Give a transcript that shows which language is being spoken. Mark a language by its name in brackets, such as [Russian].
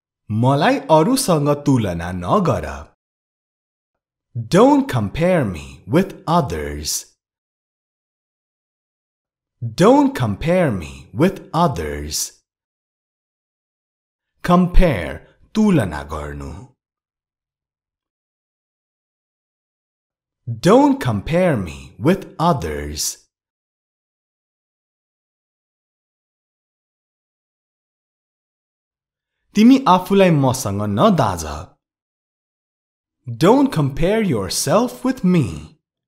[Nepali] मलाई अरूसँग तुलना नगर. [English] Don't compare me with others. Don't compare me with others. [Nepali] Compare, तुलना गर्नु. [English] Don't compare me with others. [Nepali] तिमी आफूलाई मसँग न दाज. [English] Don't compare yourself with me.